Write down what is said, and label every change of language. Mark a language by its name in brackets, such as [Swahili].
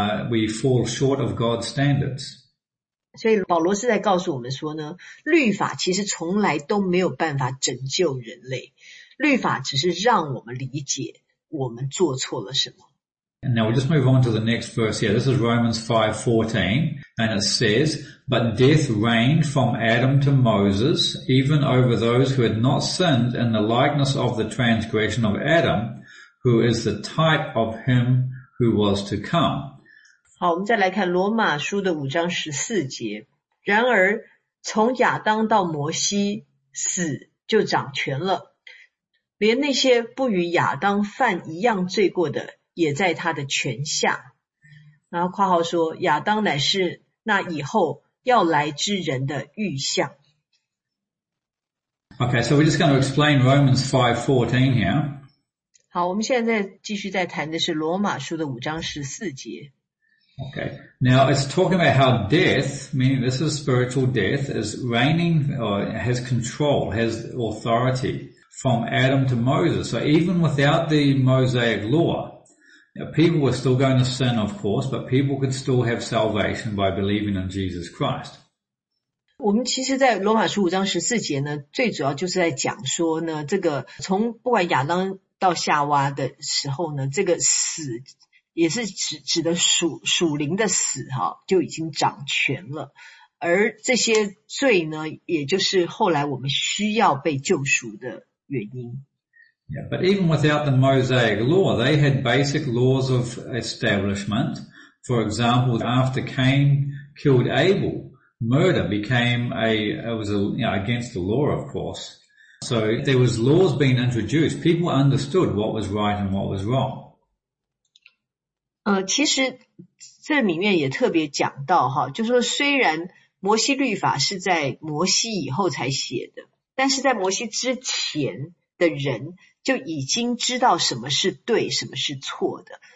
[English] We fall short of God's standards. [Chinese] 所以保罗是在告诉我们说呢，律法其实从来都没有办法拯救人类。律法只是让我们理解我们做错了什么。 [English] And now we'll just move on to the next verse here. This is Romans 5:14, and it says, but death reigned from Adam to Moses, even over those who had not sinned in the likeness of the transgression of Adam, who is the type of him who was to come. [Chinese] 好，我们再来看罗马书的五章十四节。然而，从亚当到摩西，死就掌权了，连那些不与亚当犯一样罪过的也在他的权下。然后括号说，亚当乃是那以后要来之人的预象。 [English] Okay, so we're just going to explain Romans 5:14 here. [Chinese] 好，我们现在继续在谈的是罗马书的五章十四节。 [English] Okay, now it's talking about how death, meaning this is spiritual death, is reigning or has control, has authority from Adam to Moses. So even without the Mosaic law,people were still going to sin, of course, but people could still have salvation by believing in Jesus Christ. [Chinese] 我们其实在罗马书五章十四节呢，最主要就是在讲说呢，这个从不管亚当到夏娃的时候呢，这个死也是指的属灵的死哈，就已经掌权了。而这些罪呢，也就是后来我们需要被救赎的原因。 [English] Yeah, but even without the Mosaic law, they had basic laws of establishment. For example, after Cain killed Abel, murder became against the law, of course. So there was laws being introduced. People understood what was right and what was wrong. [Chinese] 其实这里面也特别讲到哈，就说虽然摩西律法是在摩西以后才写的，但是在摩西之前的人就已经知道什么是对，什么是错的。